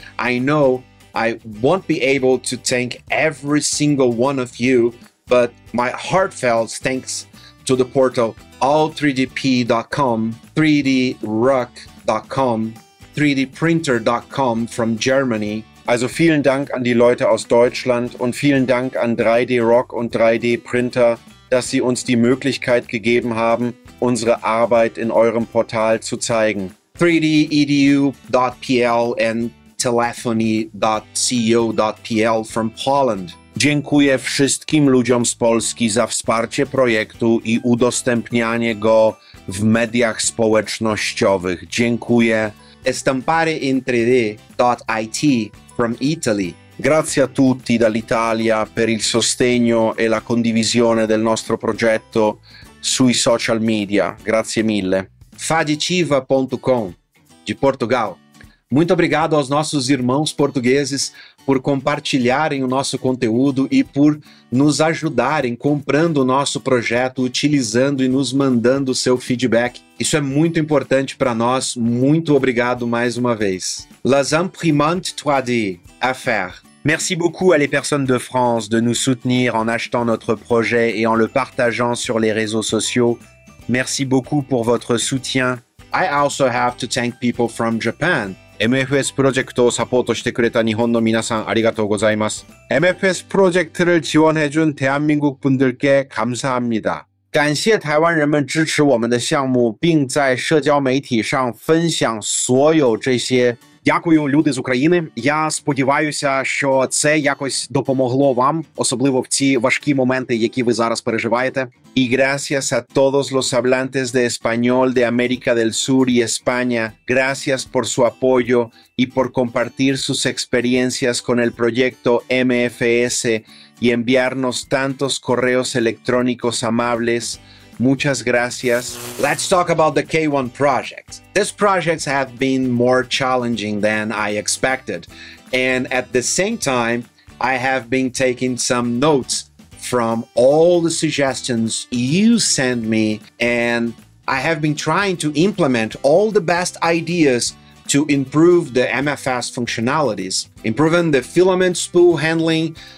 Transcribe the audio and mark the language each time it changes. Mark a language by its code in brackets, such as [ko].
[en] I know I won't be able to thank every single one of you, but my heartfelt thanks to the portal all3dp.com, 3druck.com, 3dprinter.com from Germany. [de] Also vielen Dank an die Leute aus Deutschland und vielen Dank an 3dRock und 3dprinter, dass sie uns die Möglichkeit gegeben haben, unsere Arbeit in eurem Portal zu zeigen. [en] 3dedu.pl and telephony.co.pl from Poland. [pl] Dziękuję wszystkim ludziom z Polski za wsparcie projektu i udostępnianie go w mediach społecznościowych. Dziękuję. [en] Estampareintrede.it from Italy. [it] Grazie a tutti dall'Italia per il sostegno e la condivisione del nostro progetto sui social media. Grazie mille. Fadiciva.com di Portogallo. [pt] Muito obrigado aos nossos irmãos portugueses por compartilharem o nosso conteúdo e por nos ajudarem comprando o nosso projeto, utilizando e nos mandando o seu feedback. Isso é muito importante para nós. Muito obrigado mais uma vez. [fr] Les imprimantes 3D à faire. Merci beaucoup à les personnes de France de nous soutenir en achetant notre projet et en le partageant sur les réseaux sociaux. Merci beaucoup pour votre soutien. [en] I also have to thank people from Japan. [ja] MFS プロジェクトをサポートしてくれた日本の皆さん、ありがとうございます。 [ko] MFS [ja] プロジェクトを [ko] 支援해준대한민국분들께감사합니다。 [zh] 感谢台湾人们支持我们的项目，并在社交媒体上分享所有这些。 [uk] Дякую, люди з України. Я сподіваюся, що це якось допомогло вам, особливо в ці важкі моменти, які ви зараз переживаєте. [es] Y gracias a todos los hablantes de español de América del Sur y España. Gracias por su apoyo y por compartir sus experiencias con el proyecto MFS y enviarnos tantos correos electrónicos amables. Muchas gracias. [en] Let's talk about the K1 project. This project has been more challenging than I expected. And at the same time, I have been taking some notes from all the suggestions you send me. And I have been trying to implement all the best ideas to improve the MFS functionalities, improving the filament spool handling,